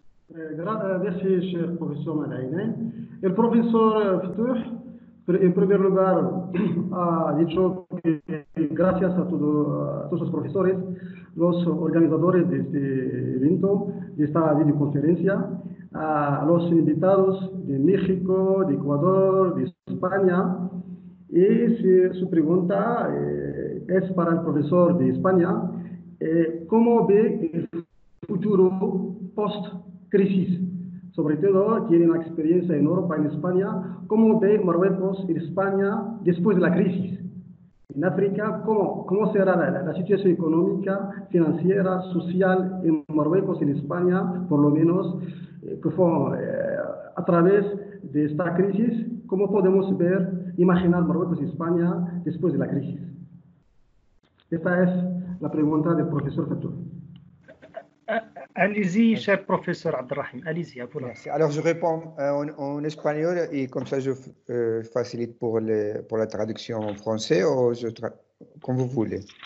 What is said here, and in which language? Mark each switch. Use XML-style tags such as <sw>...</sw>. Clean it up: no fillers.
<fr>Merci, cher professeur Malaïnain. Et le professeur Ftouh, en premier lieu, a dit que, grâce à tous les professeurs, les organisateurs de cet événement, de cette vidéoconférence, à les invités de Mexico, d'Équateur, d'Espagne.</fr> <es>Et si su pregunta es para el profesor de España, ¿cómo ve el futuro post-crisis? Sobre todo, tiene una experiencia en Europa y en España. ¿Cómo ve Marruecos y España después de la crisis? En África, ¿cómo será la situación económica, financiera, social en Marruecos y en España, por lo menos, que fue a través de esta crisis? ¿Cómo podemos ver, imaginar Marruecos y España después de la crisis? Esta es la pregunta del profesor Fatou.</es> <fr>Allez-y, cher professeur Abdrahim. Allez-y, à vous. Merci. Alors, je réponds en espagnol et comme ça, je facilite pour la traduction en français ou comme vous voulez.</fr>